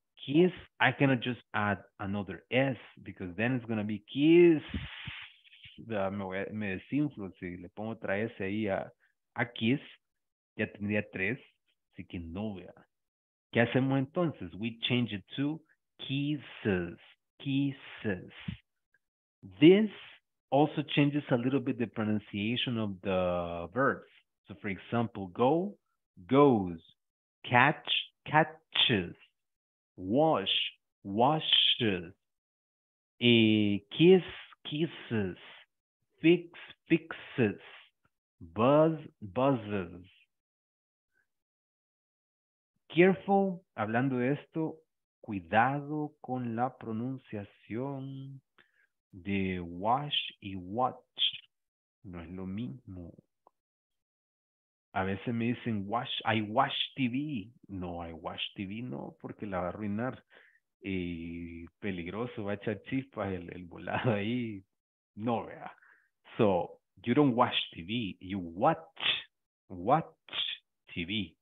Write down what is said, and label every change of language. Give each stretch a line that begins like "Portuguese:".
English: Kiss, I cannot just add another S because then it's going to be kiss.
Spanish: Me desinflo. Si le pongo otra S ahí a kiss, ya tendría tres. Así que no vea. ¿Qué hacemos entonces?
English: We change it to kisses. Kisses. This also changes a little bit the pronunciation of the verbs. So, for example, go, goes, catch, catches, wash, washes, kiss, kisses, fix, fixes, buzz, buzzes.
Spanish: Careful, hablando de esto. Cuidado con la pronunciación de wash y watch. No es lo mismo. A veces me dicen wash,
English: I wash TV.
Spanish: No,
English: I wash TV
Spanish: no, porque la va a arruinar. Peligroso, va a echar chispas el volado ahí. No, vea.
English: So, you don't wash TV, you watch TV.